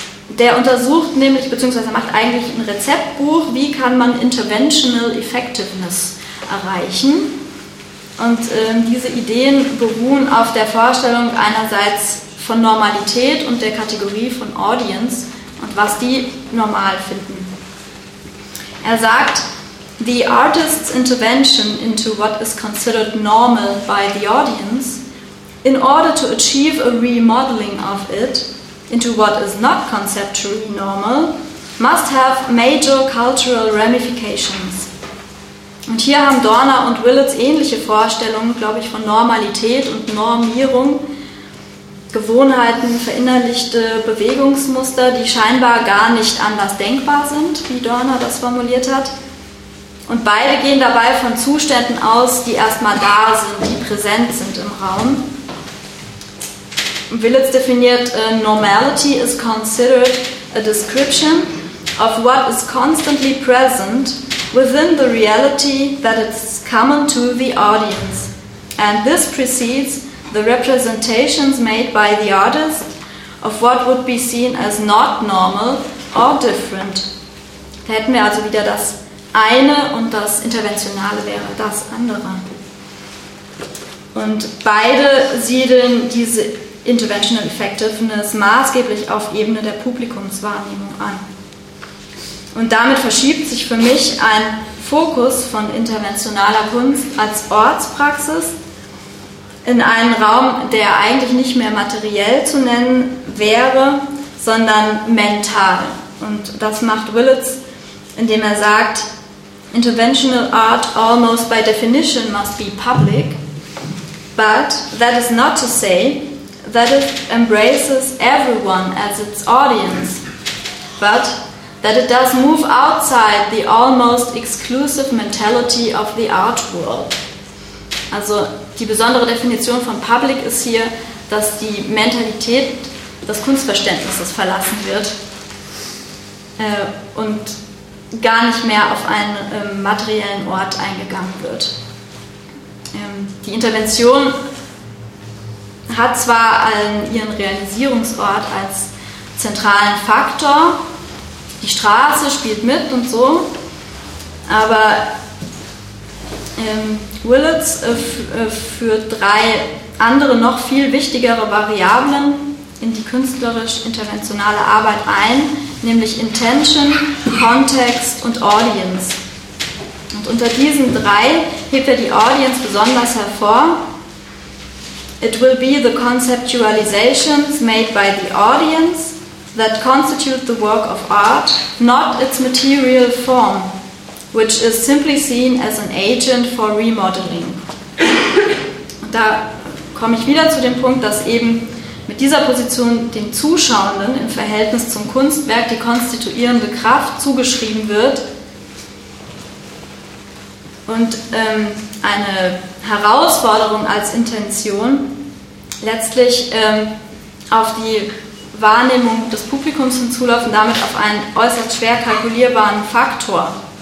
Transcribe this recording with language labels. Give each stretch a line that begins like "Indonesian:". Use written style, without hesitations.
German: Der untersucht nämlich, beziehungsweise macht eigentlich ein Rezeptbuch, wie kann man Interventional Effectiveness erreichen. Und diese Ideen beruhen auf der Vorstellung einerseits von Normalität und der Kategorie von Audience und was die normal finden. Er sagt,
English: the artist's intervention into what is considered normal by the audience, in order to achieve a remodeling of it, into what is not conceptually normal, must have major cultural ramifications.
German: Und hier haben Dörner und Willets ähnliche Vorstellungen, glaube ich, von Normalität und Normierung, Gewohnheiten, verinnerlichte Bewegungsmuster, die scheinbar gar nicht anders denkbar sind, wie Dörner das formuliert hat. Und beide gehen dabei von Zuständen aus, die erstmal da sind, die präsent sind im Raum. Willets definiert,
English: normality is considered a description of what is constantly present within the reality that it's common to the audience. And this precedes the representations made by the artist of what would be seen as not normal or different.
German: Da hätten wir also wieder das eine und das Interventionale wäre das andere. Und beide siedeln diese Interventional Effectiveness maßgeblich auf Ebene der Publikumswahrnehmung an. Und damit verschiebt sich für mich ein Fokus von interventionaler Kunst als Ortspraxis in einen Raum, der eigentlich nicht mehr materiell zu nennen wäre, sondern mental. Und das macht Willets, indem er sagt,
English: interventional art almost by definition must be public, but that is not to say that it embraces everyone as its audience, but that it does move outside the almost exclusive mentality of the art world.
German: Also die besondere Definition von public ist hier, dass die Mentalität des Kunstverständnisses verlassen wird und gar nicht mehr auf einen materiellen Ort eingegangen wird. Die Intervention hat zwar ihren Realisierungsort als zentralen Faktor, die Straße spielt mit und so, aber Willets führt drei andere, noch viel wichtigere Variablen in die künstlerisch-interventionale Arbeit ein, nämlich Intention, Context und Audience. Und unter diesen drei hebt er die Audience besonders hervor.
English: It will be the conceptualizations made by the audience that constitute the work of art, not its material form, which is simply seen as an agent for remodeling.
German: Und da komme ich wieder zu dem Punkt, dass eben mit dieser Position den Zuschauenden im Verhältnis zum Kunstwerk die konstituierende Kraft zugeschrieben wird und eine Herausforderung als Intention letztlich auf die Wahrnehmung des Publikums hinzulaufen, damit auf einen äußerst schwer kalkulierbaren Faktor.